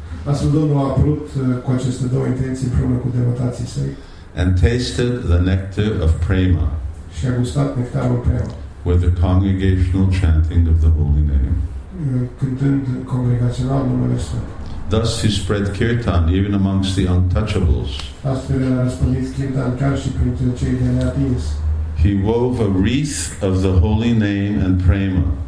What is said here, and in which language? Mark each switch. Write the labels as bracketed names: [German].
[Romanian] Astfel Domnul a apărut cu aceste două intenții împreună cu devotații săi. [English] And tasted the nectar of prema, [Romanian] și a gustat nectarul prema [English] with the congregational chanting of the holy name. [Romanian] Cântând congregațional numele său. [English] Thus he spread kirtan even amongst the untouchables. [Romanian] Astfel a răspândit kirtan chiar și printre cei de neatins. [English] He wove a wreath of the holy name and prema.